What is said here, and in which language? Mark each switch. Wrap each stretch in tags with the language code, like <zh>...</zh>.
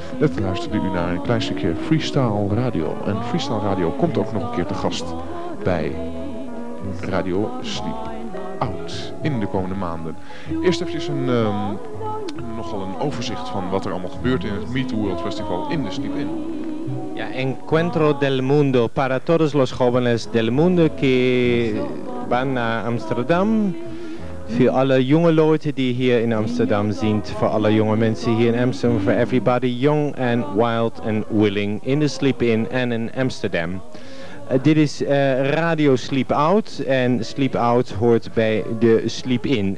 <nl>Net luisterde u naar een klein stukje Freestyle Radio. En Freestyle Radio komt ook nog een keer te gast bij Radio Sleep Out in de komende maanden. Eerst even een nogal een overzicht van wat er allemaal gebeurt in het MeToo World Festival in de Sleep Inn.</nl> <es>Ja, Encuentro del Mundo para todos los jóvenes del mundo que van</es> <nl>naar</nl> <es>Amsterdam.</es> <nl>Voor alle jonge leute die hier in Amsterdam zien, voor alle jonge mensen hier in Amsterdam, voor</nl> <en>everybody young and wild and willing</en> <nl>in de Sleep Inn en in Amsterdam. Dit is Radio Sleep Out en Sleep Out hoort bij de Sleep In.</nl>